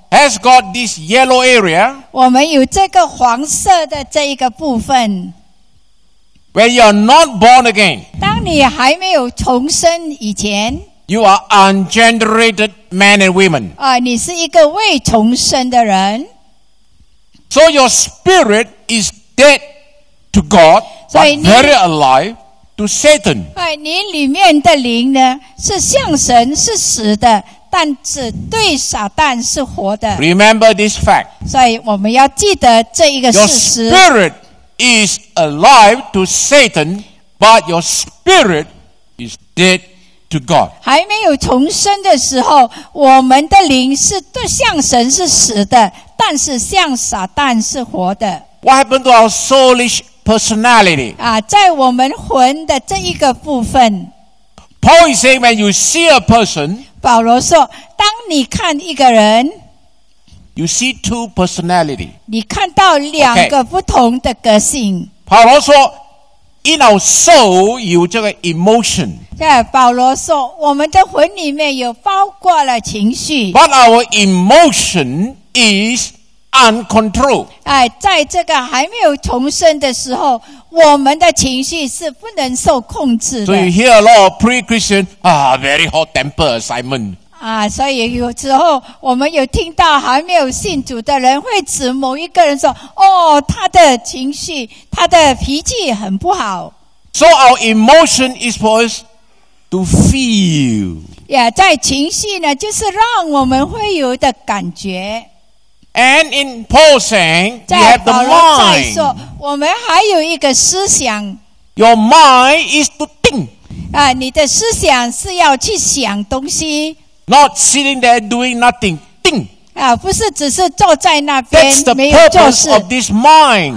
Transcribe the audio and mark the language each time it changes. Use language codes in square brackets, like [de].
[en] Has got this yellow area. [zh] 我们有这个黄色的这一个部分。 [en] When you are not born again, [zh] 当你还没有重生以前 [en] you are ungenerated man and woman. [zh] 啊，你是一个未重生的人。 [en] So your spirit is dead to God, but very alive to Satan. [zh] 啊，你里面的灵呢，是向神是死的，但是对撒旦是活的。 [en] Remember this fact. [zh] 所以我们要记得这一个事实。 [en] Your spirit. Is alive to Satan, but your spirit is dead to God. [zh] 还没有重生的时候，我们的灵是对向神是死的，但是向撒旦是活的。 [en] What happened to our soulish personality? [zh] 啊，在我们魂的这一个部分。 [en] Paul is saying, when you see a person, [zh] 保罗说，当你看一个人。 [en] You see two personality. [zh] 你看到两个不同的个性。保罗说 [en] ，In our soul [zh] 有这个 [en] emotion. [zh] 对，保罗说，我们的魂里面有包括了情绪。 [en] But our emotion is uncontrolled. [zh] 哎，在这个还没有重生的时候，我们的情绪是不能受控制的。 [en] So you hear a lot of pre-Christian, very hot temper, Simon. [zh] 啊，所以有时候我们有听到还没有信主的人会指某一个人说：“哦，他的情绪，他的脾气很不好。” [en] So our emotion is for us to feel. [zh] Yeah, 在情绪呢，就是让我们会有的感觉。 [en] And in Paul saying, we have the mind. [zh] 在保罗在说，我们还有一个思想。 [en] Your mind is to think. [zh] 啊，你的思想是要去想东西。 [en] Not sitting there doing nothing. Think. [zh] 啊，不是只是坐在那边没有做事。 [en] Of this mind.